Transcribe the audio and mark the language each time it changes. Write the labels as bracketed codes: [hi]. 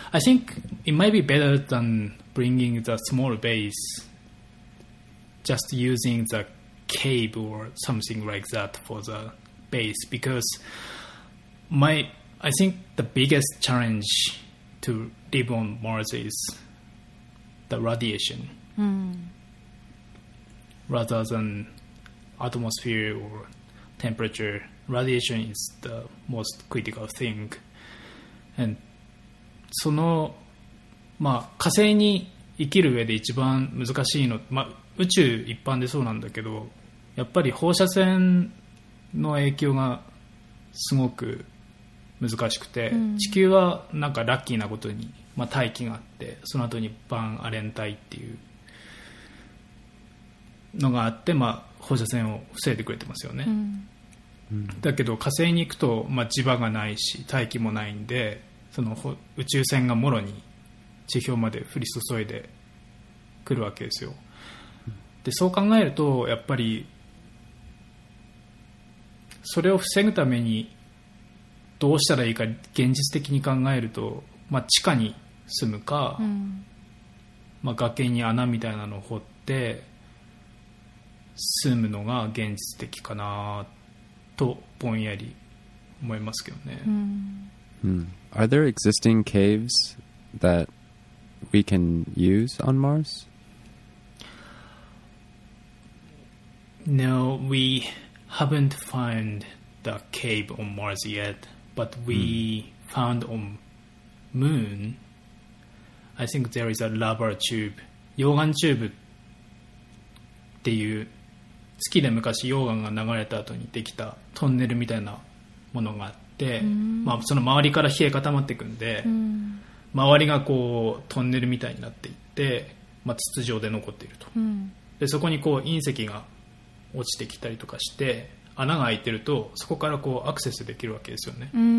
[en] I think it might be better than bringing the small base, just using the cave or something like that for the base, because I think the biggest challenge to live on Mars is the radiation. Mm. Rather than atmosphere or temperature, radiation is the most critical thing. [ja] And その、まあ、火星に生きる上で一番難しいの、まあ、宇宙一般でそうなんだけど、やっぱり放射線の影響がすごく難しくて、地球はなんかラッキーなことに、まあ、大気があって、その後にバーンアレン帯っていうのがあって、まあ、放射線を防いでくれてますよね、うん、だけど火星に行くと、まあ、磁場がないし大気もないんで、その宇宙船がもろに地表まで降り注いでくるわけですよ。でそう考えるとやっぱりそれを防ぐためにどうしたらいいか、現実的に考えると、まあ、地下に住むか、うん、まあ、崖に穴みたいなのを掘って住むのが現実的かなとぼんやり思いますけどね。うん。 [en] Are there existing caves that we can use on Mars? No, we haven't found the cave on Mars yet, but we found on Moon. I think there is a lava tube, [ja] 溶岩チューブっていう、月で昔溶岩が流れた後にできたトンネルみたいなものがあって、まあ、その周りから冷え固まっていくんで、周りがこうトンネルみたいになっていって、まあ、筒状で残っていると、でそこにこう隕石が落ちてきたりとかして穴が開いてると、そこからこうアクセスできるわけですよね。